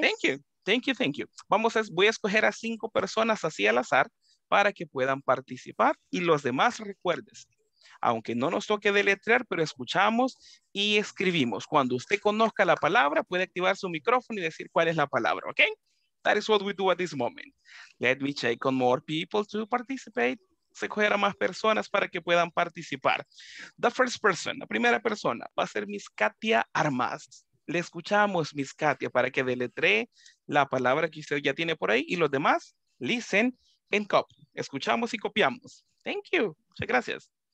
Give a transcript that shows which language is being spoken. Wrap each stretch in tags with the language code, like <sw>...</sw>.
<en>Thank you. Thank you, thank you.</en> <es>Voy a escoger a 5 personas así al azar para que puedan participar y los demás recuerden. Aunque no nos toque deletrear, pero escuchamos y escribimos. Cuando usted conozca la palabra, puede activar su micrófono y decir cuál es la palabra, ¿ok?</es> <en>That is what we do at this moment. Let me check on more people to participate.</en> <es>Se cogerá más personas para que puedan participar.</es> <en>The first person,</en> <es>la primera persona, va a ser Miss Katia Armas. Le escuchamos, Miss Katia, para que deletree la palabra que usted ya tiene por ahí y los demás,</es> <en>listen and copy.</en> <es>Escuchamos y copiamos.</es> <en>Thank you.</en> <es>Muchas gracias.</es>